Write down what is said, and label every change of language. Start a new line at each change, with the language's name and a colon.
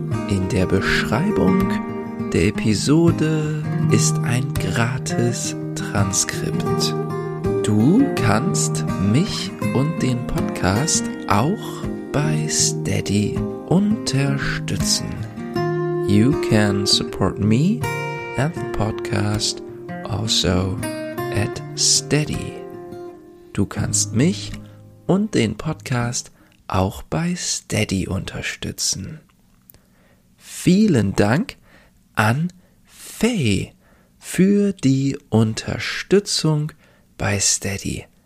German: In der Beschreibung der Episode ist ein gratis Transkript. Du kannst mich und den Podcast auch bei Steady unterstützen.
English: You can support me and the podcast also at Steady.
German: Du kannst mich und den Podcast auch bei Steady unterstützen. Vielen Dank an Faye für die Unterstützung bei Steady.